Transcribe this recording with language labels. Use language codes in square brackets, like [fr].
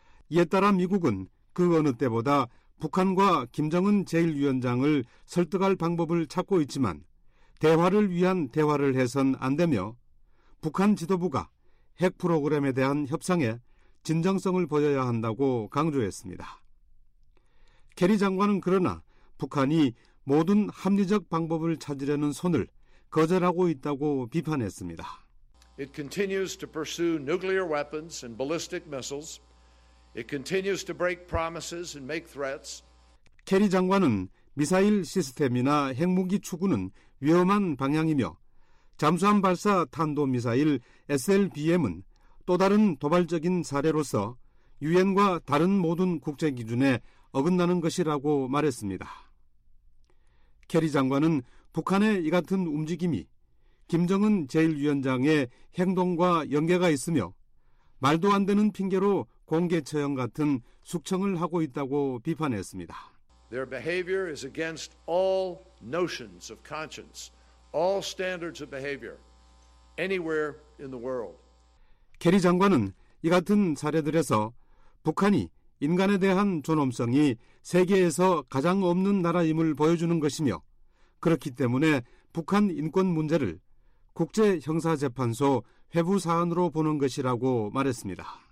[ko] 이에 따라 미국은 그 어느 때보다 북한과 김정은 제1위원장을 설득할 방법을 찾고 있지만 대화를 위한 대화를 해선 안 되며 북한 지도부가 핵 프로그램에 대한 협상에 진정성을 보여야 한다고 강조했습니다. 케리 장관은 그러나 북한이 모든 합리적 방법을 찾으려는 손을 거절하고 있다고 비판했습니다. [en] It continues to pursue nuclear weapons and ballistic missiles. It continues to break promises and make threats. [ko] 케리 장관은 미사일 시스템이나 핵무기 추구는 위험한 방향이며 잠수함 발사 탄도미사일 SLBM은 또 다른 도발적인 사례로서 유엔과 다른 모든 국제 기준에 어긋나는 것이라고 말했습니다. 케리 장관은 북한의 이 같은 움직임이 김정은 제1위원장의 행동과 연계가 있으며 말도 안 되는 핑계로 공개 처형 같은 숙청을 하고 있다고 비판했습니다. [en] Their behavior is against all notions of conscience, all standards of behavior anywhere in the world. [ko] 케리 장관은 이 같은 사례들에서 북한이 인간에 대한 존엄성이 세계에서 가장 없는 나라임을 보여주는 것이며 그렇기 때문에 북한 인권 문제를 국제 형사 재판소 회부 사안으로 보는 것이라고 말했습니다.